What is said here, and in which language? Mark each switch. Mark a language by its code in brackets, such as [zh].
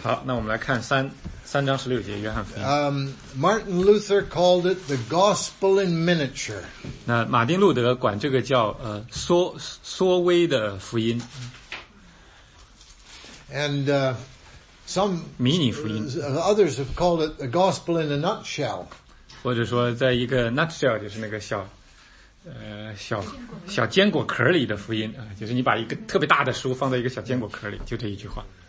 [zh] 好，那我们来看三章十六节，约翰福音。 [en] Martin Luther called it the gospel in miniature. [zh] 那马丁路德管这个叫缩微的福音。 [en] And some [zh] 迷你福音。 [en] Others have called it the gospel in a nutshell. [zh] 或者说在一个 nutshell, 就是那个小坚果壳里的福音，就是你把一个特别大的书放在一个小坚果壳里，就这一句话。